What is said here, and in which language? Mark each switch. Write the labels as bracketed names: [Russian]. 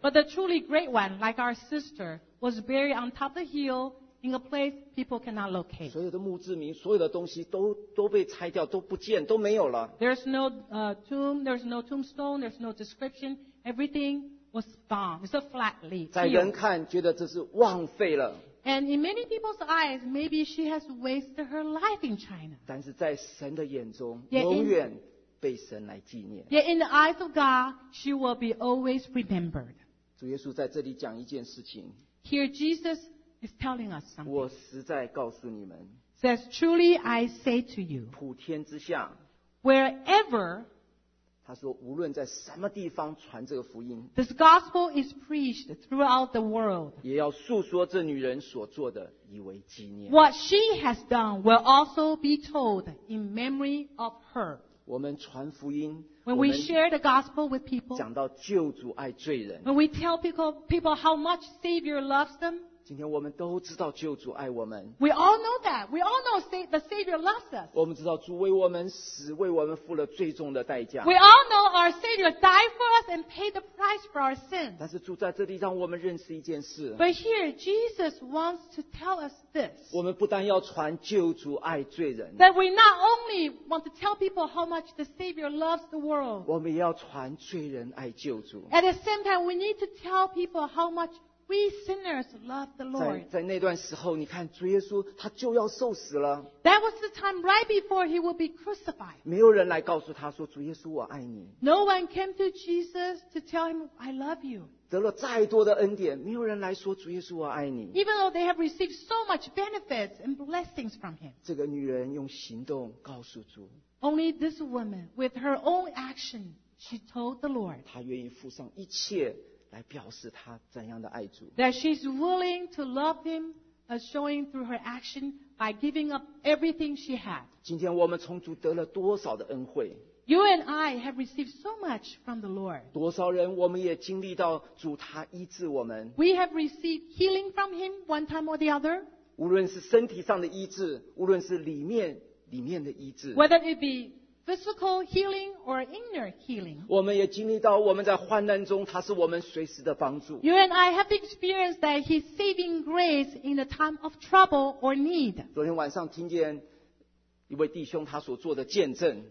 [English] But the truly great one, like our sister, was buried on top of the hill, in a place people cannot locate. [Chinese] 所有的墓志铭，所有的东西都被拆掉，都不见，都没有了。 [English] There's no tomb, there's no tombstone, there's no description. Everything was gone. It's a flat leaf. [Chinese] 在人看觉得这是浪费了。 [English] And in many people's eyes, maybe she has wasted her life in China. [Chinese] 但是在神的眼中，永远被神来纪念。 [English] Yet in the eyes of God, she will be always remembered. [Chinese] 主耶稣在这里讲一件事情。 [English] Here Jesus is telling us something. [Chinese] 我实在告诉你们。 [English] Says, truly I say to you. [Chinese] 普天之下。 [English] Wherever. [Chinese] 他说无论在什么地方传这个福音, [English] this gospel is preached throughout the world. [Chinese] 也要述说这女人所做的以为纪念。 [English] What she has done will also be told in memory of her. [Chinese] 我们传福音, [English] when we share the gospel with people, [Chinese] 讲到救主爱罪人, [English] when we tell people how much Savior loves them, [Chinese] 今天我们都知道救主爱我们, [English] we all know that. We all know the Savior loves us. [Chinese] 我们知道主为我们死，为我们付了最重的代价。 [English] We all know our Savior died for us and paid the price for our sin. [Chinese] 但是主在这里让我们认识一件事。 [English] But here, Jesus wants to tell us this. [Chinese] 我们不但要传救主爱罪人, [English] that we not only want to tell people how much the Savior loves the world, [Chinese] 我们也要传罪人爱救主。 [English] At the same time, we need to tell people how much we sinners love the Lord. [Chinese] 在那段时候，你看主耶稣他就要受死了。 [English] That was the time right before he would be crucified. [Chinese] 没有人来告诉他说，主耶稣我爱你。 [English] No one came to Jesus to tell him, I love you. [Chinese] 得了再多的恩典，没有人来说主耶稣我爱你。 [English] Even though they have received so much benefits and blessings from him. [Chinese] 这个女人用行动告诉主。 [English] Only this woman, with her own action, she told the Lord. [Chinese] 她愿意付上一切。 [English] That she's willing to love him, showing through her action by giving up everything she had. [Chinese] 今天我们从主得了多少的恩惠？ [English] You and I have received so much from the Lord. [Chinese] 多少人我们也经历到主他医治我们？ [English] We have received healing from him one time or the other. [Chinese] 无论是身体上的医治，无论是里面的医治。 [English] Whether it be physical healing or inner healing. [Chinese] 我们也经历到我们在患难中，他是我们随时的帮助。 [English] You and I have experienced that His saving grace in the time of trouble or need. [Chinese] 昨天晚上听见一位弟兄他所做的见证。